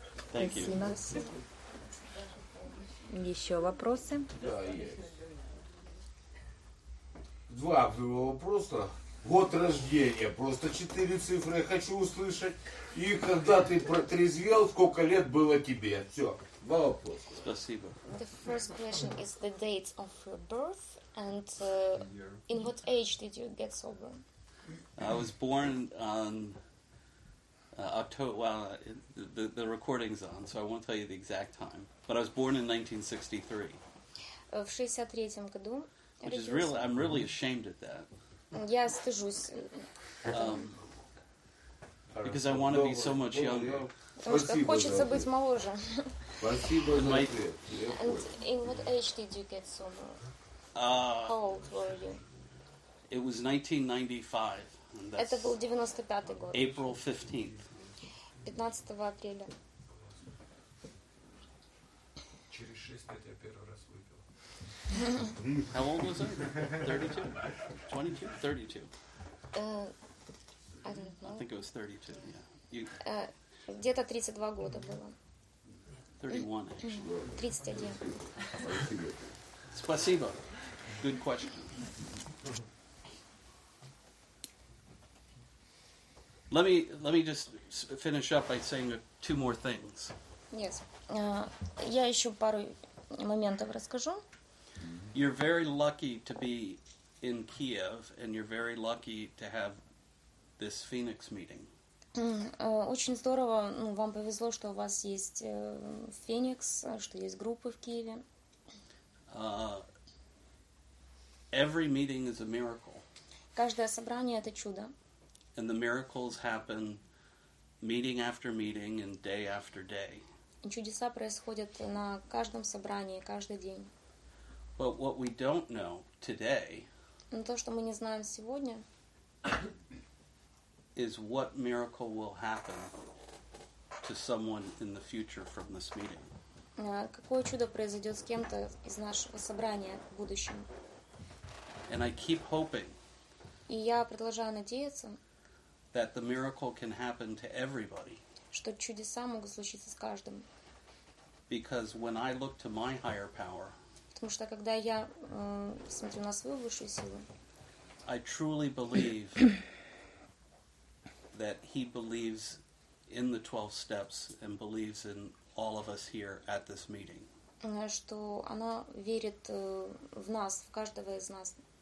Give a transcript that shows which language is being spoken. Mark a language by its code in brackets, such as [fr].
[ru] Спасибо. Еще вопросы? Да, есть. Два было вопроса. Год рождения. Просто четыре цифры я хочу услышать. И когда ты протрезвел, сколько лет было тебе? Все. Два вопроса. Спасибо. [en] The first question is the date of your birth and in what age did you get sober? I was born on October. Well, the recording's on, so I won't tell you the exact time. But I was born in 1963. [ru] В 63-м году. [en] Which is really, I'm really ashamed of that. [ru] Я стыжусь. [en] Because I want to be so much younger. [ru] Потому что хочется быть моложе. Спасибо за ответ. [en] And in what age did you get sober? How old were you? It was 1995. [ru] Это был 95-й год. [en] April 15th. [ru] 15 апреля. Через 6 лет я первый раз выпил. [en] How old was I? 32? 22? 32. I don't know. I think it was 32, yeah. [ru] Где-то 32 года было. [en] 31, actually. 31. [ru] Спасибо. [en] Good question. Let me just finish up by saying two more things. Yes. [ru] Я еще пару моментов расскажу. [en] You're very lucky to be in Kiev, and you're very lucky to have this Phoenix meeting. [ru] Очень здорово, ну, вам повезло, что у вас есть Phoenix, что есть группы в Киеве. [en] Every meeting is a miracle. [ru] Каждое собрание — это чудо. [en] And the miracles happen meeting after meeting and day after day. [ru] Чудеса происходят на каждом собрании, каждый день. [en] But what we don't know today, [ru] но то, что мы не знаем сегодня, [en] is what miracle will happen to someone in the future from this meeting. [ru] Какое чудо произойдет с кем-то из нашего собрания в будущем. [en] And I keep hoping, [ru] и я продолжаю надеяться, [en] that the miracle can happen to everybody. [ru] Что чудеса могут случиться с каждым. [en] Because when I look to my higher power, [ru] потому что когда я смотрю на свою высшую силу, [en] I truly believe that he believes in the 12 steps and believes in all of us here at this meeting. [ru] Что она верит в нас, в каждого из нас.